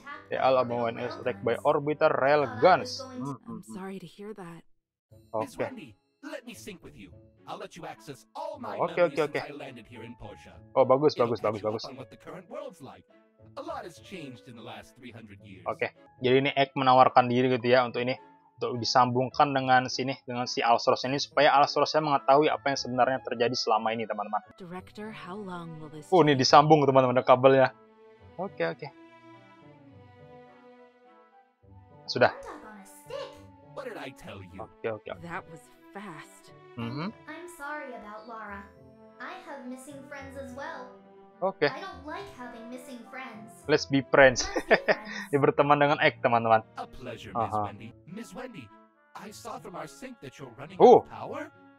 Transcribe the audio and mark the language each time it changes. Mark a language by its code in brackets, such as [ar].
[en] They all abandoned when it was attacked by orbital rail guns. I'm sorry to hear that. Okay. Let me sync with you. I'll let you access all my memories since I landed here in Portia. [id] Oh, bagus. [en] What the current world's like. A lot has changed in the last 300 years. [id] Oke. Jadi ini Egg menawarkan diri gitu ya untuk ini, untuk disambungkan dengan sini, dengan si Allsource ini supaya Allsource-nya mengetahui apa yang sebenarnya terjadi selama ini, teman-teman. [en] Director, how long will this... [id] ini disambung, teman-teman, kabelnya. Oke. Sudah. [en] What did I tell you? Oke. That was fast. I'm sorry about Lara. I have missing friends as well. Oke. I don't like having missing friends. Let's be friends. [id] Ini berteman dengan Egg, teman-teman. [en] A pleasure, Miss Wendy. I saw from our sink that you're running out of power.